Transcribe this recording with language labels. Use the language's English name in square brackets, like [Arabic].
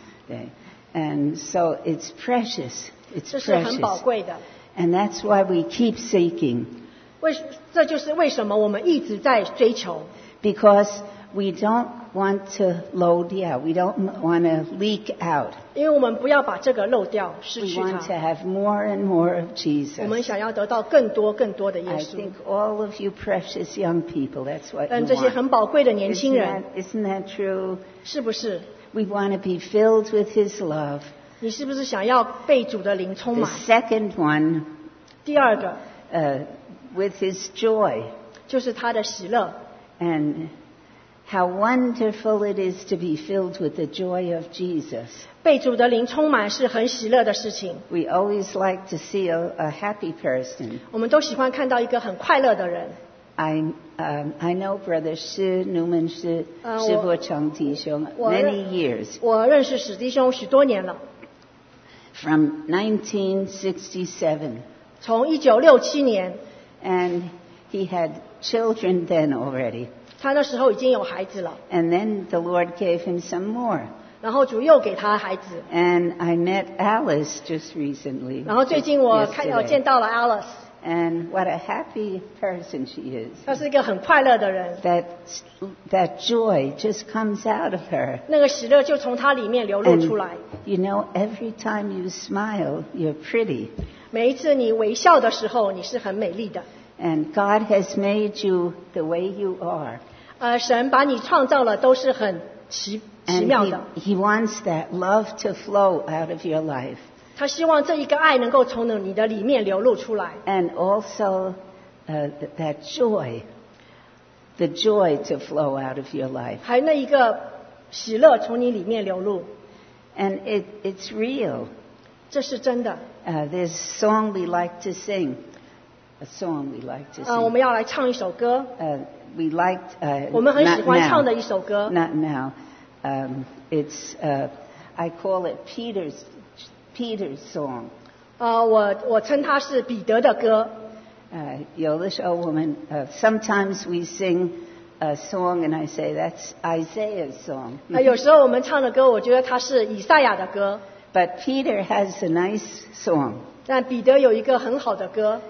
[English] 对。And so it's precious. It's precious. And that's why we keep seeking. [Chinese] 这就是为什么我们一直在追求。 [English] Because we don't want to load out. Yeah, we don't want to leak out. [Chinese] 因为我们不要把这个漏掉, 失去它。 [English] We want to have more and more of Jesus. [Chinese] 我们想要得到更多更多的耶稣。 [English] I think all of you precious young people, that's what you want. [Chinese] 这些很宝贵的年轻人。 [English] Isn't that true? [Chinese] 是不是? [English] We want to be filled with His love. [Chinese] 你是不是想要被主的灵充满? [English] The second one, [Chinese] 第二个, [English] with His joy. [Chinese] 就是他的喜乐。 [English] And how wonderful it is to be filled with the joy of Jesus. [Chinese] 被主的灵充满是很喜乐的事情。 [English] We always like to see a happy person. [Chinese] 我们都喜欢看到一个很快乐的人。 [English] I know Brother Shi Newman Shi, Shi Bo Cheng Di Xiong, many years. [Chinese] 我认识史弟兄许多年了。 [English] From 1967. [Chinese] 从1967年。 [English] And he had children then already. [Chinese] 他那时候已经有孩子了。 [English] And then the Lord gave him some more. [Chinese] 然后主又给他孩子。 [English] And I met Alice just recently. [Chinese] 然后最近我见到了Alice。 [English] And what a happy person she is. [Chinese] 她是一个很快乐的人。 [English] That joy just comes out of her. [Chinese] 那个喜乐就从她里面流露出来。 [English] You know, every time you smile, you're pretty. [Chinese] 每一次你微笑的时候,你是很美丽的。 [English] And God has made you the way you are. [Chinese] 神把你创造了都是很奇妙的。 [English] And he wants that love to flow out of your life. [Chinese] 他希望这一个爱能够从你的里面流露出来。 [English] And also that joy, the joy to flow out of your life. [Chinese] 还那一个喜乐从你里面流露。 [English] And it's real. [Chinese] 这是真的。 [English] There's a song we like to sing. A song we like to sing. [Chinese] 我们要来唱一首歌。 [English] We like, [Chinese] 我们很喜欢唱的一首歌。 [English] Not now. It's, I call it Peter's song. [Chinese] 我称它是彼得的歌。有的时候我们, [English] sometimes we sing a song and I say that's Isaiah's song. [Chinese] 有时候我们唱的歌我觉得它是以赛亚的歌。 [English] But Peter has a nice song. 但彼得有一个很好的歌。